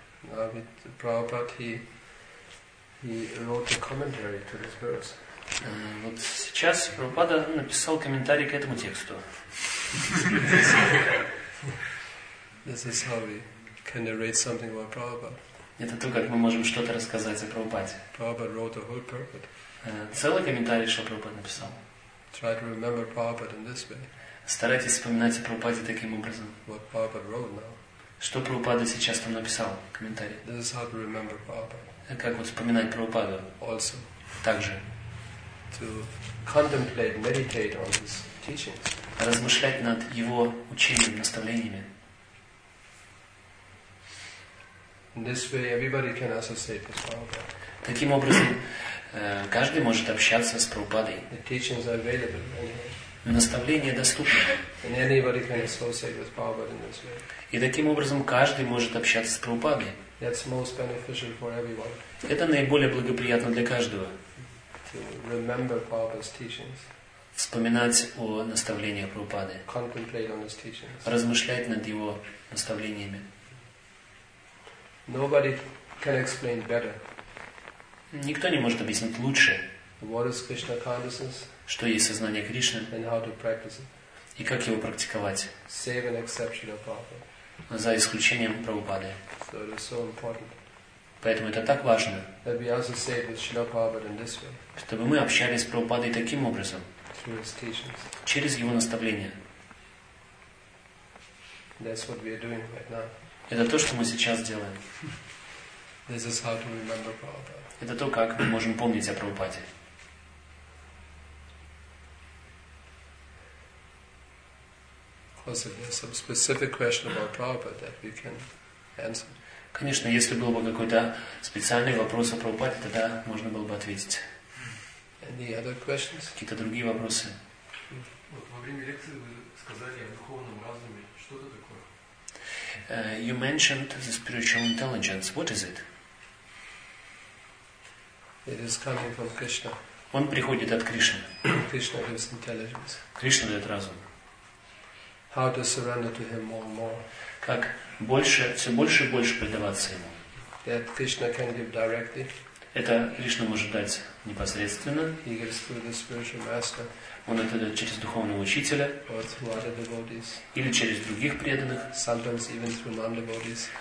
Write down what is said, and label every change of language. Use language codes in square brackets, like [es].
[en] No, but Prabhupada, he wrote a commentary to this verse. [ru] Вот сейчас Прабхупада написал комментарий к этому тексту. [en] This is how we can narrate something about Prabhupada. [ru] Это то, как мы можем что-то рассказать о Прабхупаде. [en] Prabhupada wrote a whole purport. [ru] Целый комментарий, что Прабхупада написал. [en] Try to remember Prabhupada in this way. [ru] Старайтесь вспоминать о Прабхупаде таким образом. [en] What Prabhupada wrote now. [ru] Что Прабхупада сейчас там написал, комментарий. [en] This is how to remember Prabhupada. [ru] Как вот вспоминать Прабхупаду. [en] Also. [ru] Также. [en] To contemplate, meditate on his teachings. [ru] Размышлять над его учением, наставлениями. [en] In this way, everybody can associate with Prabhupada. [ru] Таким образом, каждый может общаться с Прабхупадой. [en] The teachings are available. [ru] Наставления доступны. [en] And anybody can associate with Prabhupada in this way. [ru] И таким образом каждый может общаться с Прабхупадой. [en] That's most beneficial for everyone. [ru] Это наиболее благоприятно для каждого. [en] To remember Prabhupada's teachings. [ru] Вспоминать о наставлениях Прабхупады. [en] Contemplate on his teachings. [ru] Размышлять над его наставлениями. [en] Nobody can explain better. [ru] Никто не может объяснить лучше, [en] what is Krishna consciousness, [ru] что есть сознание Кришны [en] and how to practice it. [ru] И как его практиковать, [en] save an exception of Prabhupada. [ru] За исключением Прабхупады. [en] So it is so important. [ru] Поэтому это так важно, [en] that we also save with Srila Prabhupada in this way, [ru] чтобы мы общались с Прабхупадой таким образом, [en] through his teachings. [ru] Через его наставления. [en] That's what we are doing right now. [ru] Это то, что мы сейчас делаем. [en] This is how to remember Prabhupada. [ru] Это то, как мы можем помнить о Прабхупаде. [en] Also, there's some specific question about Prabhupada that we can answer. [ru] Конечно, если был бы какой-то специальный вопрос о Прабхупаде, тогда можно было бы ответить. [en] Any other questions? [ru] Какие-то другие вопросы? Вот во время лекции вы сказали о духовном разуме. Что это такое? [en] You mentioned the spiritual intelligence. What is it? It is coming from Krishna. [ru] Он приходит от Кришны. [en] Krishna gives intelligence. [ru] Кришна дает разум. [en] How to surrender to him more and more? [ru] Как больше, все больше и больше предаваться ему. [en] That Krishna can give directly. [ru] Это Кришна может дать непосредственно. [en] He gives through the spiritual master. [ru] Он это дает через духовного учителя. [en] Or through other devotees. [ru] Или через других преданных. [en] Sometimes even through non-devotees.